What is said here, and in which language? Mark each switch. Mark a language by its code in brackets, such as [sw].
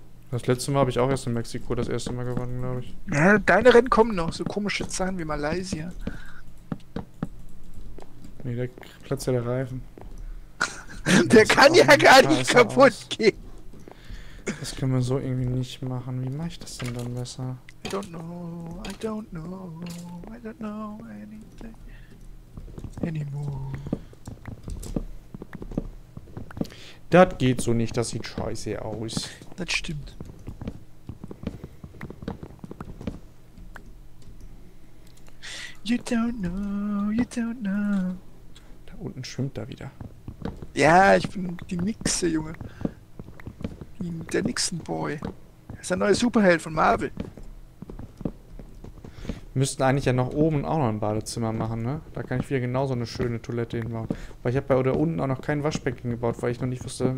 [de] Das letzte Mal habe ich auch erst in Mexiko das erste Mal gewonnen, glaube ich. Ja, deine Rennen kommen noch, so komische Zahlen wie Malaysia. Nee, der platzt ja der Reifen. Der kann ja gar nicht kaputt gehen. Das können wir so irgendwie nicht machen. Wie mache ich das denn dann besser? [en] I don't know, I don't know, I don't know anything anymore. [de] Das geht so nicht, das sieht scheiße aus. Das stimmt. [en] You don't know, you don't know. [de] Unten schwimmt da wieder. Ja, ich bin die Nixe, Junge. Der Nixenboy. Das ist ein neuer Superheld von Marvel. Wir müssten eigentlich ja noch oben auch noch ein Badezimmer machen, ne? Da kann ich wieder genauso eine schöne Toilette hinbauen. Weil ich habe bei oder unten auch noch kein Waschbecken gebaut, weil ich noch nicht wusste.